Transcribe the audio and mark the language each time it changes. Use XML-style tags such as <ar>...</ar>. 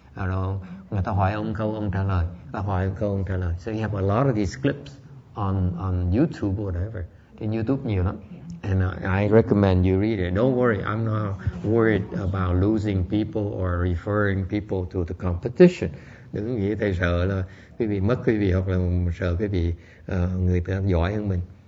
<vi>Người ta hỏi ông câu, ông trả lời. Ta hỏi ông câu, ông trả lời.</vi> <en>So you have a lot of these clips on YouTube or whatever.</en> <vi>Trên YouTube nhiều lắm.</vi> <en>And I recommend you read it. Don't worry, I'm not worried about losing people or referring people to the competition.</en> <vi>Đừng nghĩ thầy sợ là quý vị mất quý vị hoặc là sợ quý vị người ta giỏi hơn mình.</vi>